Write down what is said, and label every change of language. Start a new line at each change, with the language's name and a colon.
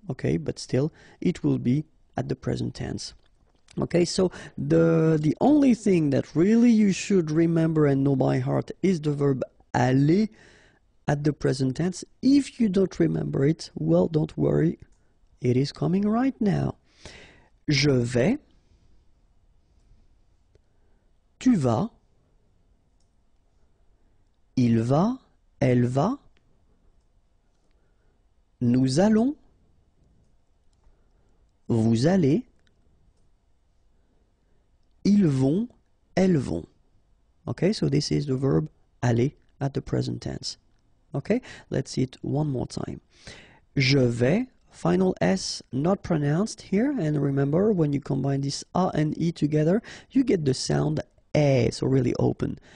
English: Okay, but still, it will be at the present tense. Okay, so the only thing that really you should remember and know by heart is the verb aller at the present tense. If you don't remember it, well, don't worry, it is coming right now.
French: Je vais, tu vas, il va, elle va, nous allons, vous allez, ils vont, elles vont.
English: Okay, so this is the verb aller at the present tense. Okay, let's see it one more time.
French: Je vais.
English: Final S not pronounced here, and remember when you combine this A and E together, you get the sound A, so really open.